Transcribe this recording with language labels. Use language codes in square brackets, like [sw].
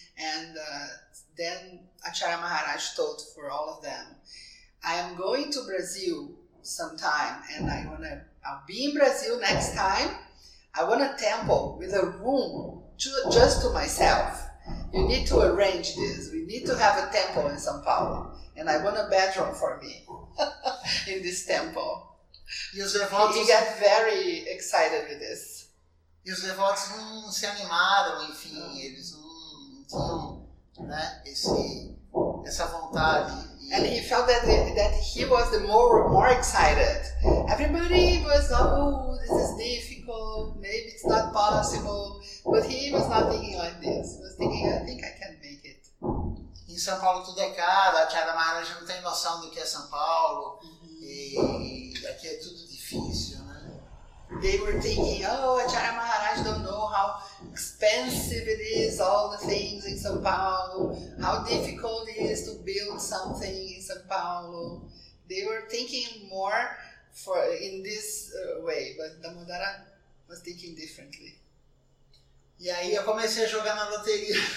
[en] And then Acharya Maharaj told for all of them, I am going to Brazil sometime, and I'll be in Brazil next time. I want a temple with a room just to myself. You need to arrange this. We need to have a temple in São Paulo. And I want a bedroom for me in this temple. [pt] E os devotos, [en] he got very excited with this. [pt] E os devotos não se animaram, enfim, eles não tinham, né, essa vontade. [en] And he felt that he was the more excited. Everybody was, oh, this is difficult, maybe it's not possible. But he was not thinking like this. He was thinking, I think I can make it. [pt] Em São Paulo tudo é caro, a Acharya Maharaj não tem noção do que é São Paulo. Mm-hmm. E aqui é tudo difícil, né? [en] They were thinking, oh, Acharya Maharaj don't know how expensive it is, all the things in São Paulo, how difficult it is to build something in São Paulo. They were thinking more for in this way, but Damodara was thinking differently. [pt] E aí eu comecei a jogar na loteria.